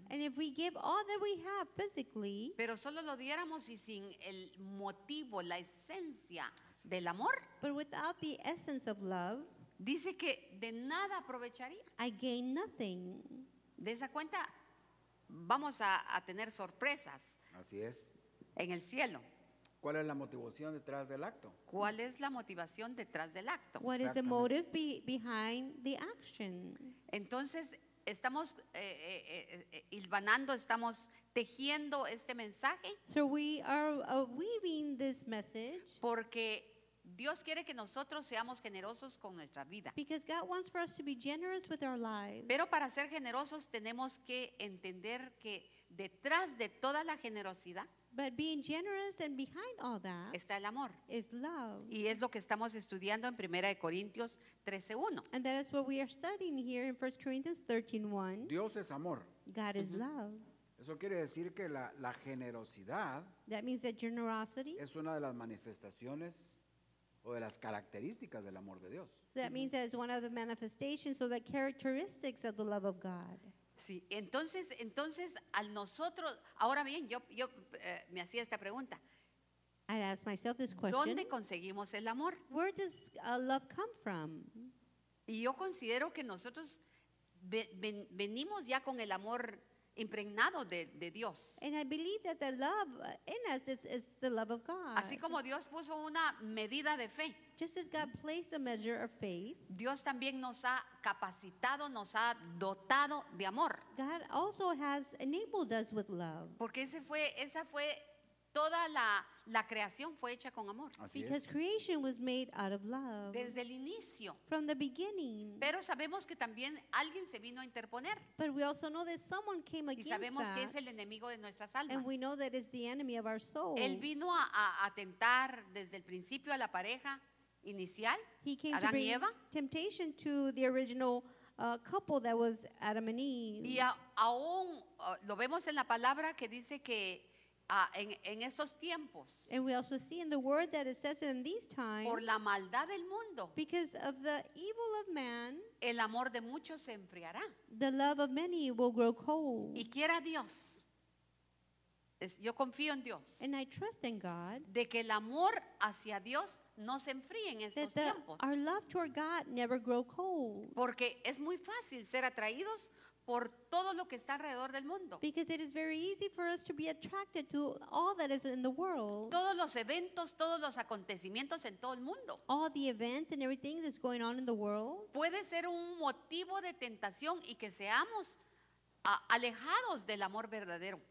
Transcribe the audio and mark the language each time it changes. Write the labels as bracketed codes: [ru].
[en] and if we give all that we have physically, [es] pero solo lo diéramos y sin el motivo, la esencia del amor, [en] but without the essence of love, [es] dice que de nada aprovecharía. [en] I gain nothing. [es] De esa cuenta vamos a tener sorpresas. Así es. En el cielo. ¿Cuál es la motivación detrás del acto? ¿Cuál es la motivación detrás del acto? [en] What is the motive behind the action? [es] Entonces estamos hilvanando, estamos tejiendo este mensaje. [en] So we are weaving this message. [es] Porque Dios quiere que nosotros seamos generosos con nuestra vida. [en] Because God wants for us to be generous with our lives. [es] Pero para ser generosos tenemos que entender que detrás de toda la generosidad, [en] but being generous and behind all that, [es] está el amor. [en] Is love. [es] Y es lo que estamos estudiando en 1 Corintios 13:1. [en] And that is what we are studying here in 1 Corinthians 13:1. [es] Dios es amor. [en] God is love. [es] Eso quiere decir que la generosidad, [en] that means that generosity, [es] es una de las manifestaciones o de las características del amor de Dios. [en] So that means that it's one of the manifestations or the characteristics of the love of God. [es] Sí, entonces al nosotros, ahora bien, yo me hacía esta pregunta. [en] I'd ask myself this question. [es] ¿Dónde conseguimos el amor? [en] Where does love come from? [es] Y yo considero que nosotros venimos ya con el amor impregnado de Dios. [en] And I believe that the love in us is the love of God. [es] Así como Dios puso una medida de fe, [en] just as God placed a measure of faith, [es] Dios también nos ha capacitado, nos ha dotado de amor. [en] God also has enabled us with love. [es] Porque esa fue toda la creación fue hecha con amor. Así [en] because [es] es. [en] Creation was made out of love. [es] Desde el inicio. [en] From the beginning. [es] Pero sabemos que también alguien se vino a interponer. [en] But we also know that someone came against us. [es] Y sabemos [en] that, [es] que es el enemigo de nuestras almas. [en] And we know that it's the enemy of our souls. [es] Él vino a atentar desde el principio a la pareja inicial, [en] he came [es] Adán [en] to bring [es] y Eva. [en] Temptation to the original couple that was Adam and Eve. [es] Y aún lo vemos en la palabra que dice que en estos tiempos, [en] and we also see in the word that it says in these times, [es] por la maldad del mundo, [en] because of the evil of man, [es] el amor de muchos se enfriará, [en] the love of many will grow cold. [es] Y quiera Dios, yo confío en Dios, [en] and I trust in God, [es] de que el amor hacia Dios no se enfríe en estos tiempos, [en] our love toward God never grow cold, [es] porque es muy fácil ser atraídos por todo lo que está alrededor del mundo. [en] Because it is very easy for us to be attracted to all that is in the world. [es] Todos los eventos, todos los acontecimientos en todo el mundo. [en] All the events and everything that's going on in the world. [es] Puede ser un motivo de tentación y que seamos alejados del amor verdadero.